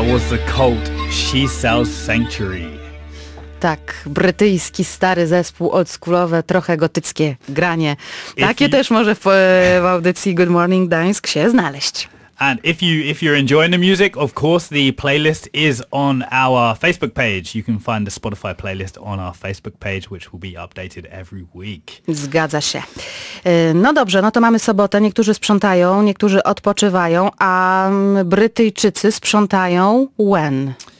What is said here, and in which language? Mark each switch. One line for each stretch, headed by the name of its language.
English: the cult, she sells sanctuary.
Polish: Tak, brytyjski stary zespół, oldschoolowe, trochę gotyckie granie. Takie też może w audycji Good Morning Gdańsk się znaleźć.
English: And if you're enjoying the music, of course the playlist is on our Facebook page. You can find the Spotify playlist on our Facebook page, which will be updated every week.
Polish: Zgadza się. No dobrze, no to mamy sobotę, niektórzy sprzątają, niektórzy odpoczywają, a Brytyjczycy sprzątają
English: when?